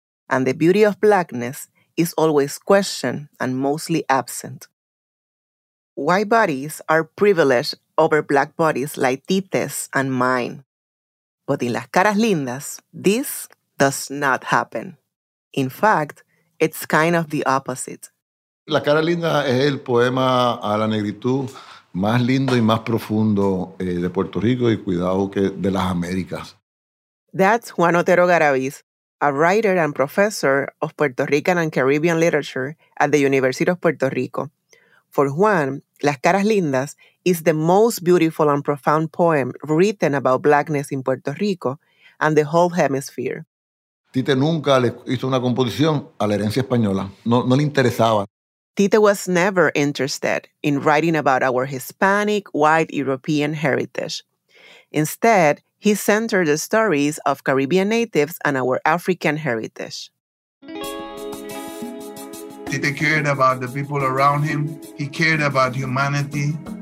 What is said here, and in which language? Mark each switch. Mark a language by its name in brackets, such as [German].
[English] And the beauty of blackness is always questioned and mostly absent. White bodies are privileged over black bodies like Tite's and mine. But in Las Caras Lindas, this does not happen. In fact, it's kind of the opposite. [Spanish] La Cara Linda es el poema a la negritud más lindo y más profundo de Puerto Rico y cuidado que de las Américas. [English] That's Juan Otero Garaviz, a writer and professor of Puerto Rican and Caribbean literature at the University of Puerto Rico. For Juan, Las Caras Lindas is the most beautiful and profound poem written about blackness in Puerto Rico and the whole hemisphere. [Spanish] Tite nunca le hizo una composición a la herencia española. No le interesaba. [English] Tite was never interested in writing about our Hispanic, white, European heritage. Instead, he centered the stories of Caribbean natives and our African heritage. Tite cared about the people around him. He cared about humanity.